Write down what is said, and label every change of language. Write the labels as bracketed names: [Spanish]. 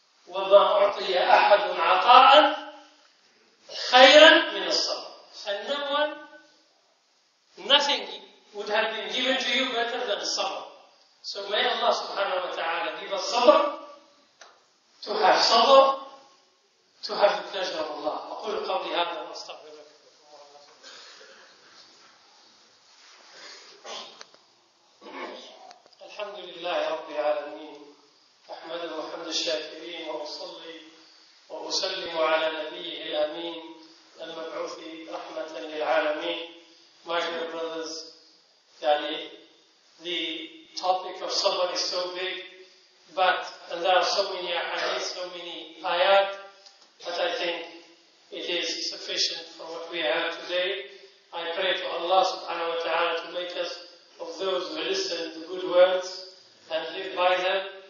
[Arabic] وَمَا أُعْطِيَ أَحَدٌ عَطَاءً خَيْرًا مِنَ الصَّبْرِ. [English] And no one, nothing would have been given to you better than sabr. So may Allah subhanahu wa ta'ala give us sabr, to have sabr, to have the pleasure of Allah. [Arabic] أقول قولي هذا وأستغفر الله. الحمد لله رب العالمين. أحمد وحمد الشاكرين وأصلي وأسلم على نبيه الأمين المبعوث رحمة للعالمين. [English] My dear brothers, يعني the topic of sabr is so big, but and there are so many hadith, so many ayat, but I think it is sufficient for what we have today. I pray to Allah subhanahu wa ta'ala to make us of those who listen to good words and live by them.